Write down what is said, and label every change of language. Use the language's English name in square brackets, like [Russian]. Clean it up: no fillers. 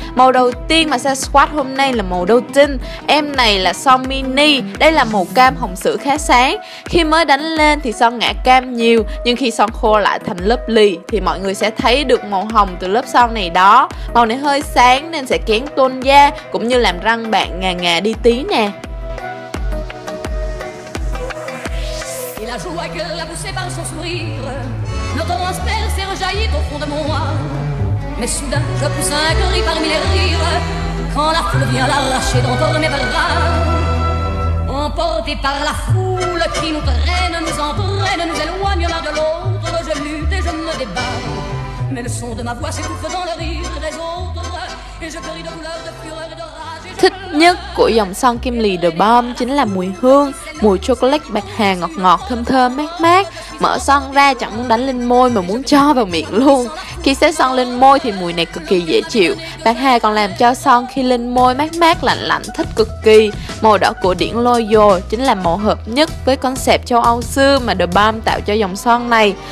[Vietnamese] Màu đầu tiên mà sẽ swatch hôm nay là màu đầu tiên. Em này là son mini, đây là màu cam hồng sữa khá sáng. Khi mới đánh lên thì son ngả cam nhiều, nhưng khi son khô lại thành lớp lì thì mọi người sẽ thấy được màu hồng từ lớp son này đó. Màu này hơi sáng nên sẽ kén tôn da cũng như làm răng bạn ngà ngà đi tí nè. [French] La joie que l'a poussée par son sourire Le transperce et rejaillit au fond de moi Mais soudain je pousse un cri parmi les rires Quand la foule vient l'arracher d'entendre mes bras Emportée par la foule qui nous traîne Nous entraîne, nous éloigne l'un de l'autre Je lutte et je me débat Mais le son de ma voix s'étouffe dans le rire des autres Et je crie de douleur, de fureur et de rage [Vietnamese] Thích nhất của dòng son kem lì The Balm chính là mùi hương, mùi chocolate bạc hà ngọt ngọt, thơm thơm, mát mát. Mở son ra chẳng muốn đánh lên môi mà muốn cho vào miệng luôn. Khi xếp son lên môi thì mùi này cực kỳ dễ chịu. Bạc hà còn làm cho son khi lên môi mát mát, lạnh lạnh, thích cực kỳ. Màu đỏ cổ điển lôi dồi chính là màu hợp nhất với concept châu Âu xưa mà The Balm tạo cho dòng son này.